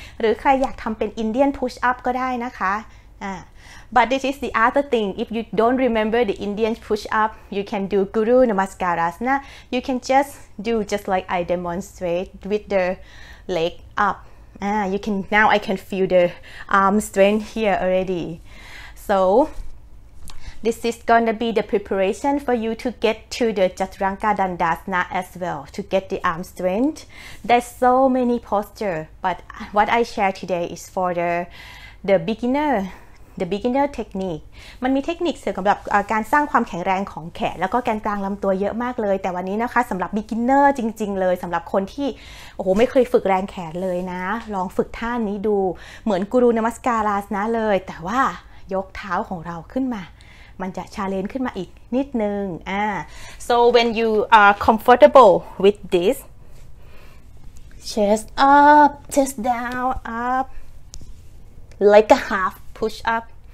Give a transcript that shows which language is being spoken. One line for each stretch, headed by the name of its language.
Thai: หรือใครอยากทำเป็น Indian push-up ก็ได้นะคะ
English: But this is the other thing. If you don't remember the Indian push-up, you can do Guru Namaskarasana. You can just do just like I demonstrate with the leg up. You can now I can feel the arm strength here already. So this is gonna be the preparation for you to get to the Chaturanga Dandasana as well to get the arm strength. There's so many posture, but what I share today is for the beginner. The beginner technique
Thai: มันมีเทคนิคเสริมสำหรับการสร้างความแข็งแรงของแขนแล้วก็แกนกลางลำตัวเยอะมากเลยแต่วันนี้นะคะสำหรับ beginner จริงๆเลยสำหรับคนที่ โอ้โหไม่เคยฝึกแรงแขนเลยนะลองฝึกท่านี้ดูเหมือนกูรูนมัสการาสนะเลยแต่ว่ายกเท้าของเราขึ้นมามันจะชาเลนจ์ขึ้นมาอีกนิดนึง
English: so when you are comfortable with this chest up chest down up like a halfPush up.